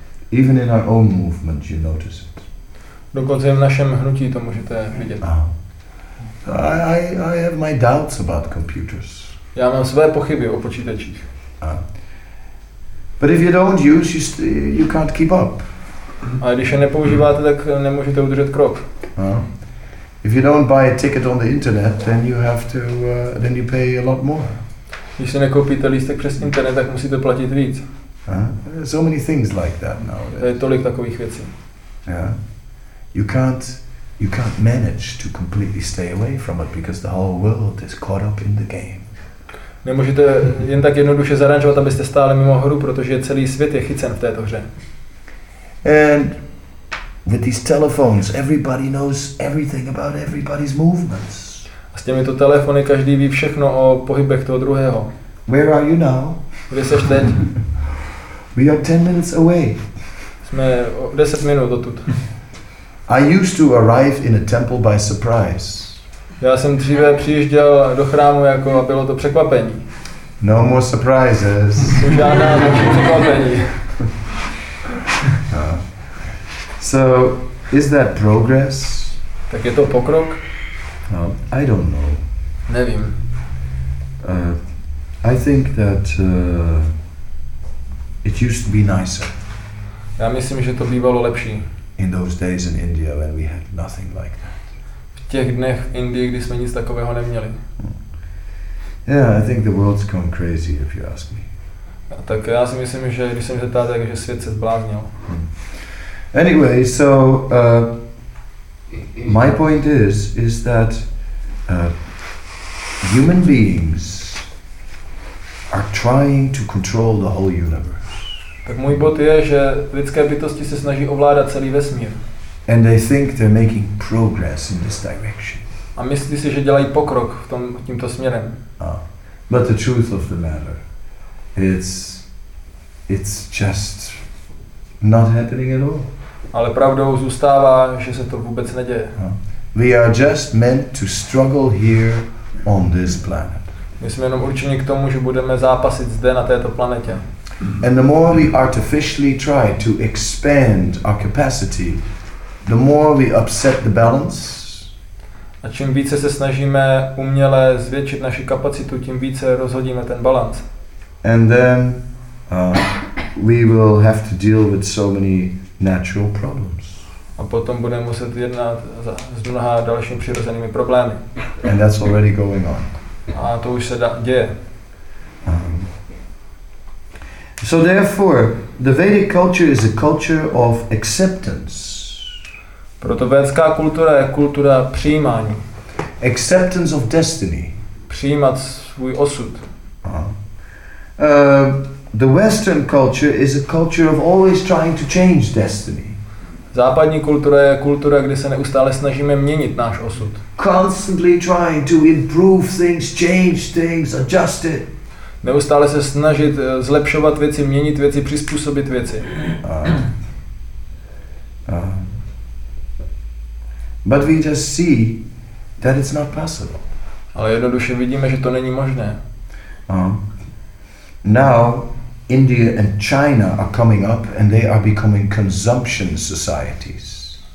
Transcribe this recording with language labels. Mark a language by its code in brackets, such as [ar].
[en] Even in our own movement, you notice it. [cs] Dokonce v našem hnutí to můžete vidět. [en] I have my doubts about computers. [cs] Já mám své pochyby o počítačích. [en] But if you don't use, you can't keep up. [cs] A když je nepoužíváte, tak nemůžete udržet krok. [en] If you don't buy a ticket on the internet, then you have to then you pay a lot more. [cs] Když si nekoupíte lístek přes internet, tak musíte platit víc. [en] So many things like that now. [cs] Tolik takových věcí. [en] You can't manage to completely stay away from it because the whole world is caught up in the game. [cs] Nemůžete jen tak jednoduše zaranžovat, abyste stáli mimo hru, protože celý svět je chycen v této hře. [en] And with these telephones, everybody knows everything about everybody's movements. [cs] A s těmito telefony každý ví všechno o pohybech toho druhého. [en] Where are you now? [cs] Kde seš teď? [en] We are 10 minutes away. [cs] Jsme 10 minut odtud. [en] I used to arrive in a temple by surprise. [cs] Já jsem dříve přijížděl do chrámu jako a bylo to překvapení. [en] No more surprises. [cs] Žádná překvapení. [en] So, is that progress? [cs] Tak je to pokrok? [en] No, I don't know. [cs] Nevím. [en] I think that it used to be nicer. [cs] Já myslím, že to bývalo lepší. [en] In those days in India when we had nothing like that. [cs] V těch dnech v Indii, kdy jsme nic takového neměli. [en] Yeah, I think the world's gone crazy if you ask me. [cs] A tak já si myslím, že když se mě zeptáte, že svět se zbláznil. [en] Anyway, so my point is that human beings are trying to control the whole universe. [cs] Tak můj bod je, že lidské bytosti se snaží ovládat celý vesmír. [en] And they think they're making progress in this direction. [cs] A myslí si, že dělají pokrok v tom tímto směrem. [en] But the truth of the matter, it's just not happening at all. [cs] Ale pravdou zůstává, že se to vůbec neděje. [en] We are just meant to struggle here on this planet. [cs] My jsme jenom určeni k tomu, že budeme zápasit zde na této planetě. [en] And the more we artificially try to expand our capacity, the more we upset the balance. [cs] A čím více se snažíme uměle zvětšit naši kapacitu, tím více rozhodíme ten balanc. [en] And then we will have to deal with so many natural problems. [cs] A potom budeme muset jednat s mnoha dalšími přirozenými problémy. [en] And that's already going on. [cs] A to už se děje. [en] So therefore, the Vedic culture is a culture of acceptance. [cs] Proto védská kultura je kultura přijímání. [en] Acceptance of destiny. [cs] Přijímat svůj osud. [en] The Western culture is a culture of always trying to change destiny. [cs] Západní kultura je kultura, kde se neustále snažíme měnit náš osud. [en] Constantly trying to improve things, change things, adjust it. [cs] Neustále se snažit zlepšovat věci, měnit věci, přizpůsobit věci. [en] But we just see that it's not possible. [cs] Ale jednoduše vidíme, že to není možné. [en] Now India and China are coming up and they are becoming consumption societies.